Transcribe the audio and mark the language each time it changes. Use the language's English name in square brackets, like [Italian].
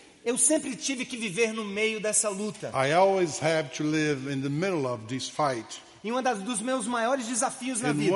[Portuguese] Eu sempre tive que viver no meio dessa luta. [English] I always have to live in the middle of this fight. [Portuguese] E um dos meus maiores desafios na vida.